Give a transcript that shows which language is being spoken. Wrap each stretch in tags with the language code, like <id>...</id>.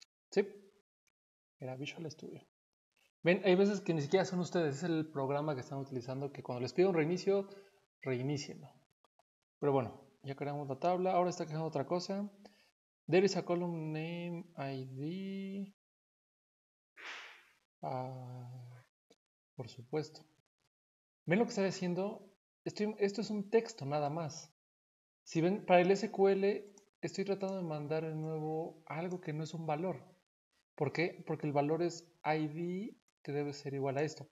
<es>Sí, era Visual Studio. Ven, hay veces que ni siquiera son ustedes, es el programa que están utilizando, que cuando les pido un reinicio, reinícienlo. Pero bueno. Ya creamos la tabla. Ahora está creando otra cosa.</es> <en>There is a column name ID.</en> <es>Por supuesto. ¿Ven lo que está diciendo? Esto es un texto nada más. Si ven, para el SQL estoy tratando de mandar de nuevo algo que no es un valor. ¿Por qué? Porque el valor es ID que debe ser igual a esto.</es>